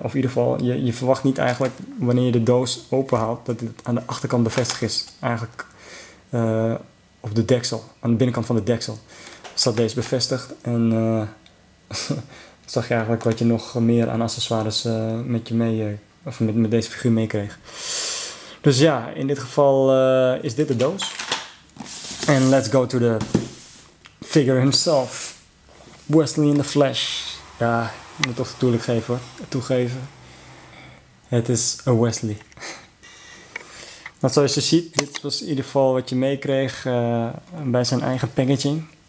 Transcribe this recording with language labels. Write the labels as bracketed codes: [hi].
[nl] Of in ieder geval, je verwacht niet eigenlijk wanneer je de doos openhaalt dat het aan de achterkant bevestigd is. Eigenlijk op de deksel, aan de binnenkant van de deksel, zat deze bevestigd en zag je eigenlijk wat je nog meer aan accessoires met deze figuur meekreeg. Dus ja, in dit geval is dit de doos. [en] And let's go to the figure himself. Wesley in the flesh. [nl] Ja, ik moet toch toegeven. Het is a Wesley. Nou, zoals je ziet, dit was in ieder geval wat je meekreeg bij zijn eigen packaging.